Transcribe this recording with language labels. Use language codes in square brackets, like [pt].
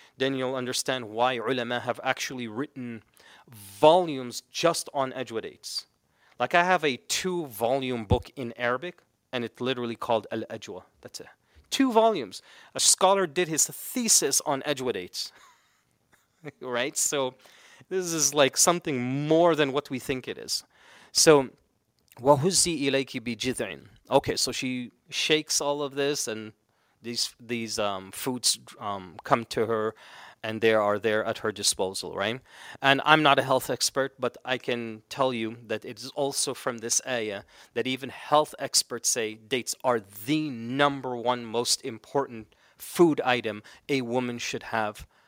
[en] then you'll understand why ulama have actually written volumes just on ajwadates. Like, I have a 2-volume book in Arabic, and it's literally called Al-Ajwa. That's it. 2 volumes. A scholar did his thesis on ajwadates. Right? So this is like something more than what we think it is. [ar] So, وَهُزِّي إِلَيْكِ بِجِذْعٍ. [en] Okay, so she shakes all of this, and these foods come to her, and they are there at her disposal, right? And I'm not a health expert, but I can tell you that it is also from this ayah that even health experts say dates are the number one most important food item a woman should have.